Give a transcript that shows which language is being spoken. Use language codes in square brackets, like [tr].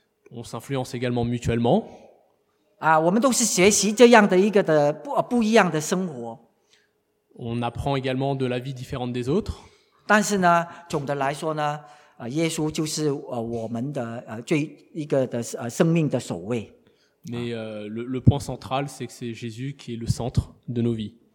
[fr] On s'influence également mutuellement. [zh] 啊，我们都是学习这样的一个的不一样的生活。 [fr] On apprend également de la vie différente des autres. [zh] 但是呢，总的来说呢，耶稣就是我们的最一个的生命的首位。 [fr] Mais le point central, c'est que c'est Jésus qui est le centre de nos vies.